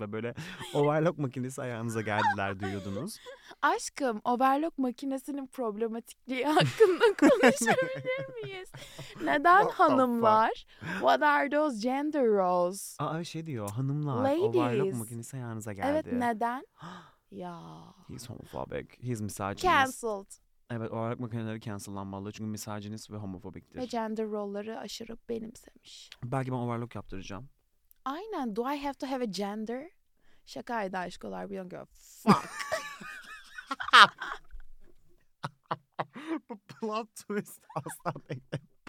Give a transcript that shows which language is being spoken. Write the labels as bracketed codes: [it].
[tr] ve böyle overlock makinesi ayağınıza geldiler duyuyordunuz. Aşkım, overlock makinesinin problematikliği hakkında konuşabilir miyiz? Neden what hanımlar? [en] What are those gender roles? [tr] Aa, şey diyor, hanımlar. [en] Ladies. [tr] Overlock makinesi ayağınıza geldi. Evet, neden? Ya. [en] He's homophobic. He's misogynist. Cancelled. [tr] Evet, olarak makineleri cancellanmalı çünkü misajiniz ve homofobiktir. Ve gender rolları aşırı benimsemiş. Belki ben overlock yaptıracağım. [en] Aynen, do I have to have a gender? [tr] Şakaydı aşkolar, bir yana fuck. Bu plot twist asla beklemem.